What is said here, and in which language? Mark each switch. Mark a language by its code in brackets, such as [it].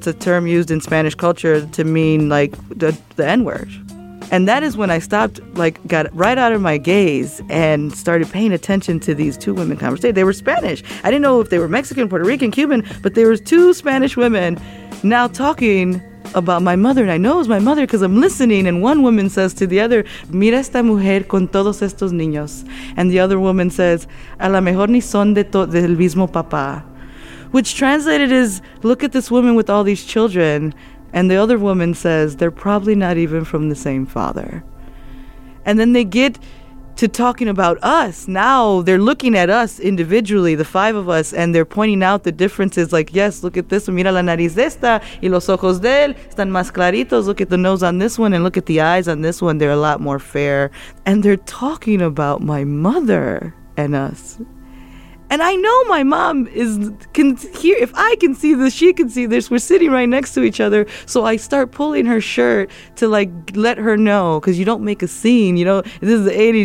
[en] It's a term used in Spanish culture to mean like the N-word. And that is when I stopped, like got right out of my gaze and started paying attention to these two women conversation. They were Spanish. I didn't know if they were Mexican, Puerto Rican, Cuban, but there was two Spanish women now talking about my mother, and I know it was my mother because I'm listening. And one woman says to the other, [es] mira esta mujer con todos estos niños. [en] And the other woman says, [es] a lo mejor ni son del mismo papá. [en] Which translated is, look at this woman with all these children. And the other woman says, they're probably not even from the same father. And then they get to talking about us. Now they're looking at us individually, the five of us, and they're pointing out the differences. Like, yes, look at this one. [es] Mira la nariz de esta y los ojos de él están más claritos. [en] Look at the nose on this one, and look at the eyes on this one. They're a lot more fair. And they're talking about my mother and us. And I know my mom can hear, if I can see this, she can see this. We're sitting right next to each other. So I start pulling her shirt to like let her know, because you don't make a scene, you know, this is the 80s.